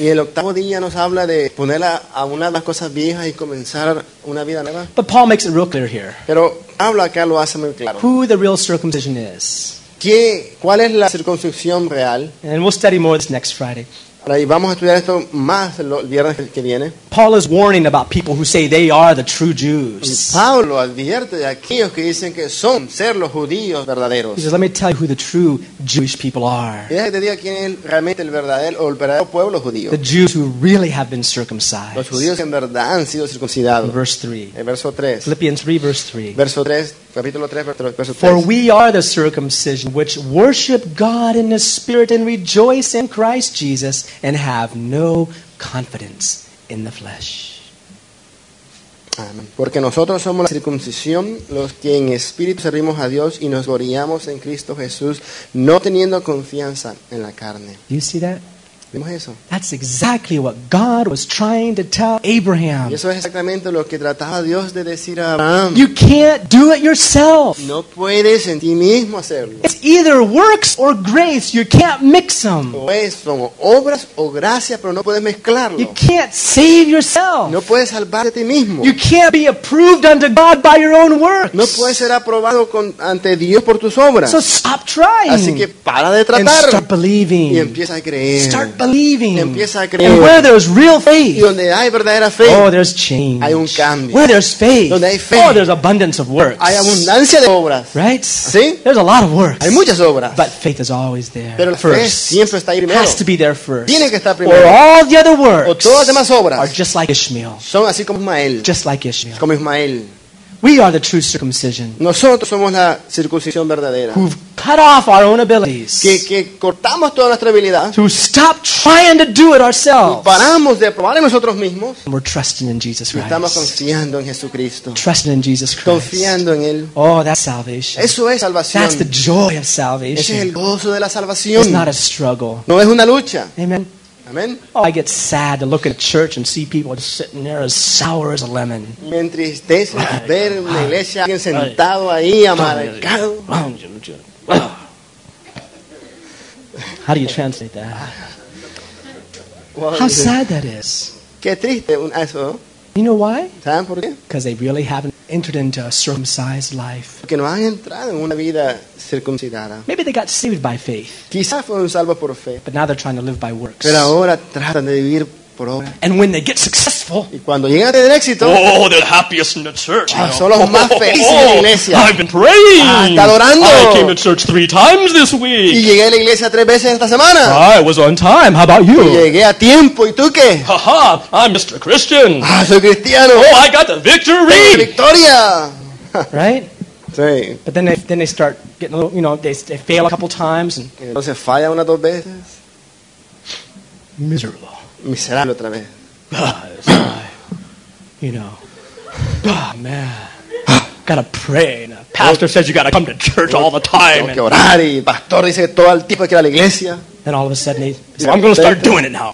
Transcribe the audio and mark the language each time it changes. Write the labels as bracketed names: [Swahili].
[Spanish] Y el octavo día nos habla de poner a una de las cosas viejas y comenzar una vida nueva. [English] But Paul makes it real clear here. [Spanish] Pero Pablo acá lo hace muy claro. [English] Who the real circumcision is. [Spanish] ¿Cuál es la circuncisión real? [English] And we'll study more this next Friday. [Spanish] Y vamos a estudiar esto más el viernes que viene. [English] Paul is warning about people who say they are the true Jews. [Spanish] Pablo advierte de aquellos que dicen que son ser los judíos verdaderos. [English] He says, let me tell you who the true Jewish people are. [Spanish] Y déjame te diga quién es realmente el verdadero o el verdadero pueblo judío. [English] The Jews who really have been circumcised. [Spanish] Los judíos que en verdad han sido circuncidados. [English] Verse 3. [Spanish] En verso 3. [English] Philippians 3, verse 3. [Spanish] Verso 3. Capítulo 3, verso 3. [English] For we are the circumcision which worship God in the Spirit and rejoice in Christ Jesus and have no confidence in the flesh. Amen. [Spanish] Porque nosotros somos la circuncisión, los que en espíritu servimos a Dios y nos gloriamos en Cristo Jesús, no teniendo confianza en la carne. [English] Do you see that? [Spanish] ¿Vemos eso? [English] That's exactly what God was trying to tell Abraham. [Spanish] Y eso es exactamente lo que trataba Dios de decir a Abraham. [English] You can't do it yourself. [Spanish] No puedes en ti mismo hacerlo. [English] It's either works or grace. You can't mix them. [Spanish] O es como obras o gracia, pero no puedes mezclarlo. [English] You can't save yourself. [Spanish] No puedes salvarte a ti mismo. [English] You can't be approved unto God by your own works. [Spanish] No puedes ser aprobado ante Dios por tus obras. [English] So stop trying. [Spanish] Así que para de tratar. [English] And start believing. [Spanish] Y empieza a creer. [English] Start believing. [Spanish] Empieza a creer. [English] And where there's real faith, [Spanish] y donde hay verdadera fe, [English] oh, there's change. [Spanish] Hay un cambio. [English] Where there's faith, [Spanish] donde hay fe, [English] oh, there's abundance of works. [Spanish] Hay abundancia de obras. [English] Right? [Spanish] ¿Sí? [English] There's a lot of works. [Spanish] Hay muchas obras. [English] But faith is always there. [Spanish] Pero la [English] first. [Spanish] Fe siempre está ahí primero. [English] Has to be there first. [Spanish] Tiene que estar primero. [English] Or all the other works [Spanish] o todas las demás obras [English] are just like Ishmael. [Spanish] Son así como Ismael. [English] Just like Ishmael. [Spanish] Como Ismael. [English] We are the true circumcision. [Spanish] Nosotros somos la circuncisión verdadera. [English] Who've cut off our own abilities. [Spanish] Que cortamos toda nuestra habilidad. [English] Who stop trying to do it ourselves. [Spanish] Y paramos de probar en nosotros mismos. [English] And we're trusting in Jesus Christ. [Spanish] Estamos confiando en Jesucristo. [English] Trusting in Jesus Christ. [Spanish] Confiando en Él. [English] Oh, that's salvation. [Spanish] Eso es salvación. [English] That's the joy of salvation. [Spanish] Ese es el gozo de la salvación. [English] It's not a struggle. [Spanish] No es una lucha. [English] Amen. [Spanish] Amen. [English] Oh, I get sad to look at a church and see people just sitting there as sour as a lemon. [Spanish] Me entristece ver en la iglesia alguien sentado ahí amargado. [English] How do you translate that? How sad that is. [Spanish] Qué triste eso. [English] You know why? [Spanish] ¿Saben por qué? [English] Because they really haven't entered into a circumcised life. [Spanish] Porque no han entrado en una vida circuncidada. [English] Maybe they got saved by faith. [Spanish] Quizás fueron salvos por fe. [English] But now they're trying to live by works. [Spanish] Pero ahora tratan de vivir [English] And when they get successful, [Spanish] y cuando llegan a tener éxito, [English] oh, they're the happiest in the church. [Spanish] Oh, son los más felices en la iglesia. [English] I've been praying. [Spanish] Ah, está adorando. [English] I came to church 3 times this week. [Spanish] Y llegué a la iglesia 3 veces esta semana. [English] I was on time. How about you? [Spanish] Y llegué a tiempo. ¿Y tú qué? [English] Haha, I'm Mr. Christian. [Spanish] Ah, soy cristiano. [English] Oh, I got the victory. [Spanish] Tengo victoria. [English] Right? [Spanish] Sí. [English] But then they start getting a little, you know, they fail a couple times and [Spanish] entonces falla una dos veces. [English] Miserable. [Spanish] Miserable otra vez. [English] You know. Oh, man. Gotta pray. And the pastor says you gotta come to church all the time. [Spanish] Tengo que orar y el pastor dice que todo el tiempo hay que ir a la iglesia. [English] And all of a sudden he says, I'm gonna start doing it now.